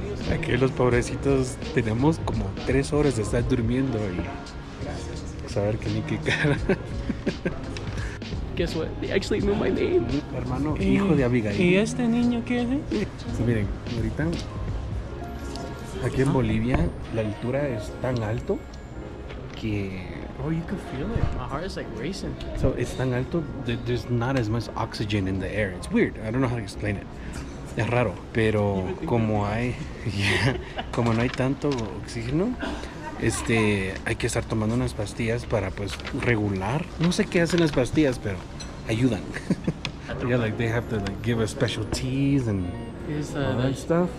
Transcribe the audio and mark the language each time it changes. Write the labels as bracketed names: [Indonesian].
[Spanish] Aquí los pobrecitos tenemos como 3 horas de estar durmiendo y saber que ni qué cara. [English] Guess what? They actually knew my name. [Spanish] Hermano, hijo de Abigail. ¿Y este niño qué es? Sí, miren, ahorita aquí en Bolivia la altura es tan alto que... [English] Oh, you can feel it. My heart is like racing. So it's [Spanish] tan alto [English] that there's not as much oxygen in the air. It's weird. I don't know how to explain it. [Spanish] Es raro, pero como no hay tanto oxígeno, hay que estar tomando unas pastillas para pues regular. No sé qué hacen las pastillas, pero ayudan. [English] Yeah, like they have to like give us special teas and all that stuff.